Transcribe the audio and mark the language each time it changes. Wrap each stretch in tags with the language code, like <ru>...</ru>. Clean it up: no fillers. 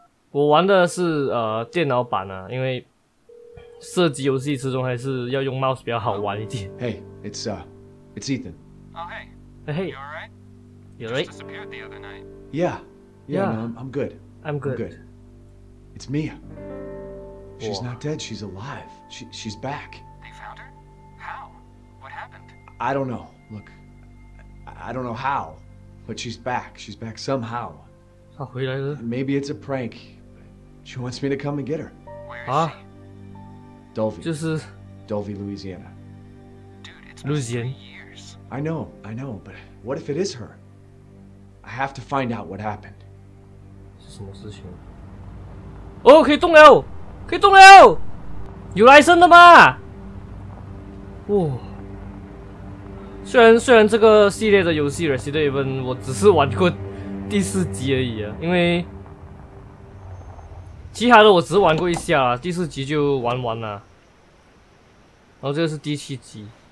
<zh>我玩的是电脑版啊，因为射击游戏之中还是要用 mouse 比较好玩一点。</zh> <en>Hey, it's It's Ethan. Oh, hey. Hey. You alright? You alright? Just disappeared the other night. Yeah. No, I'm good. I'm good. It's Mia. She's not dead. She's alive. She's back. They found her? How? What happened? I don't know. Look, I don't know how, but she's back. She's back somehow. Maybe it's a prank. She wants me to come and get her. Where is she? Dolby. Just Dolby, Louisiana. Louisiana. I know, but what if it is her? I have to find out what happened.</en> <zh>是什么事情？哦，可以动了，可以动了，有来生的吗？哇、哦！虽然这个系列的游戏《Resident Evil》，我只是玩过第四集而已啊，因为其他的我只是玩过一下，第四集就玩完了。然后这个是第七集。</zh>